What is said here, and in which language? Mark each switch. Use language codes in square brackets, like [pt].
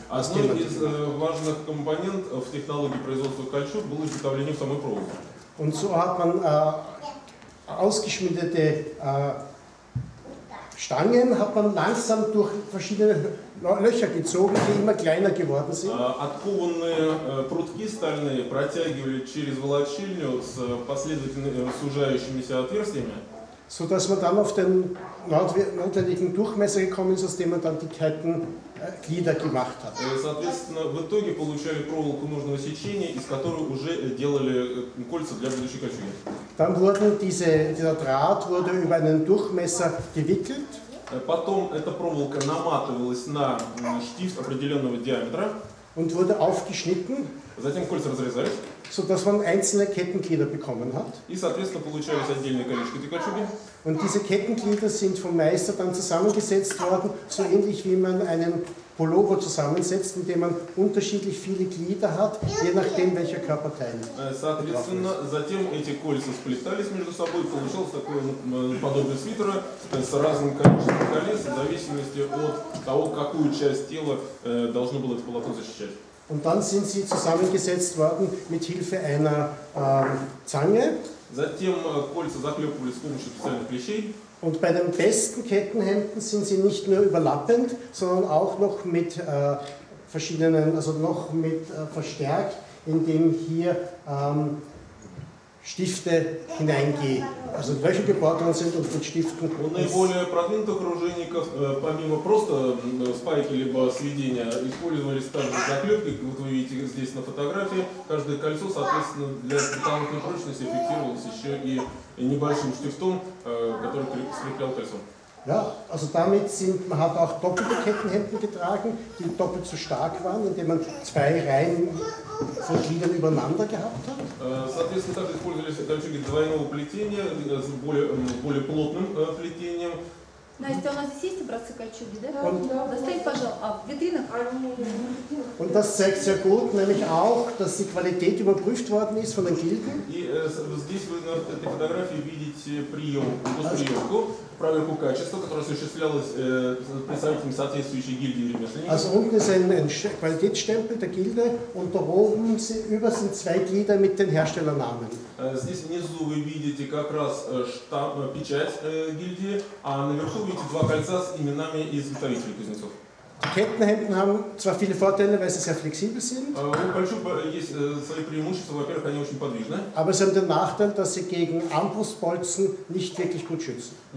[de] Also ein wichtiger Komponent in der Technologie der Produktion von Kaltschuk war die Herstellung der [ru] самой [de] Probe. Und so hat man ausgeschmiedete Stangen hat man langsam durch verschiedene Löcher gezogen, die immer kleiner geworden sind. [ru] Откованные прутки стальные протягивали через волочильню с последовательно сужающимися отверстиями. [de] So dass man dann auf den notwendigen Durchmesser gekommen ist, aus dem man dann die Kettenglieder gemacht hat. [ru] Соответственно, в итоге получали проволоку нужного сечения, из которой уже делали кольца для будущей кольчуги. [de] Dann wurden diese, dieser Draht wurde über einen Durchmesser gewickelt. [ru] Потом эта проволока наматывалась на штифт определенного диаметра. [de] Und wurde aufgeschnitten. [ru] Затем кольца разрезались. [de] So dass man einzelne Kettenglieder bekommen hat. Und diese Kettenglieder sind vom Meister dann zusammengesetzt worden, so ähnlich wie man einen Pullover zusammensetzt, indem man unterschiedlich viele Glieder hat, je nachdem welcher Körperteil. [ru] Соответственно, затем эти кольца сплетались между собой, получалось такое подобие свитера с разным количеством колец, в зависимости от того, какую часть тела должно было это полотно защищать. [de] Und dann sind sie zusammengesetzt worden mit Hilfe einer Zange. [ru] Затем кольца заклепывались с помощью специальных клещей. [de] Und bei den besten Kettenhemden sind sie nicht nur überlappend, sondern auch noch mit verschiedenen, also noch mit verstärkt, indem hier Stifte hineingehen, also Löcher gebohrt worden sind und mit Stiften. [ru] У наиболее продвинутых оружейников, помимо просто спайки либо сведения, использовались также заклепки. Вот вы видите здесь на фотографии, каждое кольцо, соответственно, для специальной прочности фиксировалось еще и небольшим штифтом, который скреплял кольцо. [de] Ja, also damit sind, man hat auch doppelte Kettenhemden getragen, die doppelt so stark waren, indem man zwei Reihen von Gliedern übereinander gehabt hat. [ru] Соответственно, также использовались кольчуги двойного плетения, с более плотным плетением. Настя, у нас здесь есть образцы кольчуги, да? Да. Достань, пожалуйста, в витринах. [de] Und das zeigt sehr gut, nämlich auch, dass die Qualität überprüft worden ist von den Gilden. [ru] И здесь вы на этой фотографии видите прием, госприемку. Проверку качества, которая осуществлялась представителями соответствующей гильдии ремесленников. [de] Also unten ist ein Qualitätsstempel der Gilde und da oben über sind zwei Glieder mit den Herstellernamen. [ru] Здесь внизу вы видите как раз печать гильдии, а наверху видите два кольца с именами изготовителей кузнецов. [de] Kettenhemden haben zwar viele Vorteile, weil sie sehr flexibel sind. Aber sie haben den Nachteil, dass sie gegen Armbrustbolzen nicht wirklich gut schützen.